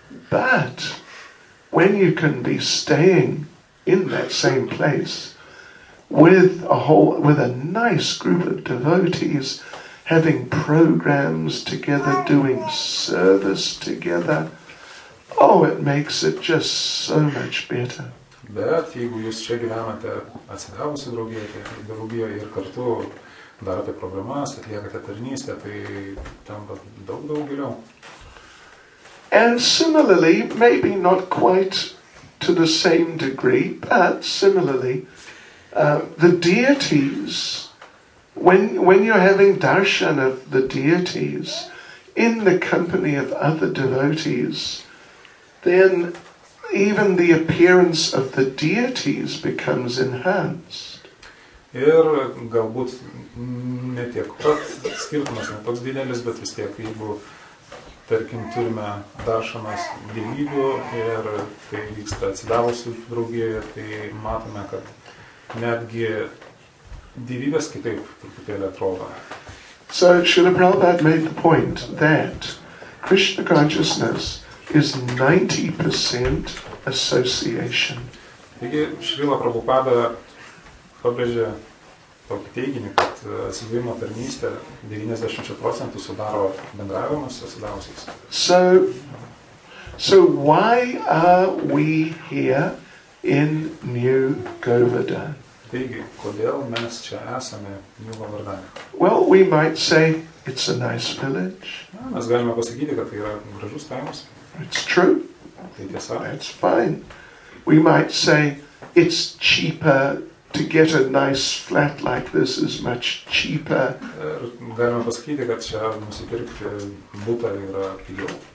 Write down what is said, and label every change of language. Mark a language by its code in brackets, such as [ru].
[en] But when you can be staying in that same place with a nice group of devotees having programs together, doing service together, oh, it makes it just so much better. [lt] Bet jeigu jūs čia gyvenate atsidavusi draugijoje ir kartu darote programas, atliekate tarnystę, tai tampa daug daug geriau. [en] And similarly, maybe not quite to the same degree, but similarly, the deities, when you're having darshan of the deities in the company of other devotees, then even the appearance of the deities becomes enhanced. [lt] Ir galbūt ne tiek pat skirtumas, ne toks didelis, bet vis tiek, jeigu tarkim, turime daršamas dievybių ir tai vyksta atsidavusių draugijoje, tai matome, kad netgi dievybės kitaip truputėlį atrodo. [en] So Srila Prabhupada made the point that Krishna consciousness is 90% association. [lt] Taigi Srila Prabhupada pabrėžė tokį teiginį, kad atsidavimo tarnystė 90% sudaro bendravimas atsidavusiais. [en] So why are we here in New Govardhan? [lt] Taigi, kodėl mes čia esame New Govardhan? [en] Well, we might say it's a nice village. [lt] Na, mes galime pasakyti, kad tai yra gražus kaimas. [en] It's true. [lt] Tai tiesa. [en] That's fine. We might say it's cheaper to get a nice flat like this is much cheaper. [lt] Galima pasakyti, kad čia nusipirkti butą yra pigiau.